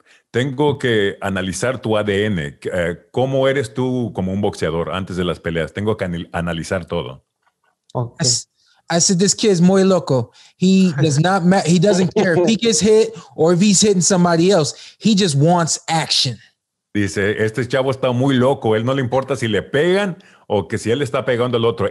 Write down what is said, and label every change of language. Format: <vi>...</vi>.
<es>Tengo que analizar tu ADN. ¿Cómo eres tú como un boxeador antes de las peleas? Tengo que analizar todo. Okay.</es> <en>I said, this kid's</en> <es>muy loco.</es> <en>He does not matter. He doesn't care if he gets hit or if he's hitting somebody else. He just wants action.</en> <es>Dice, este chavo está muy loco. Él no le importa si le pegan o que si él está pegando al otro.</es>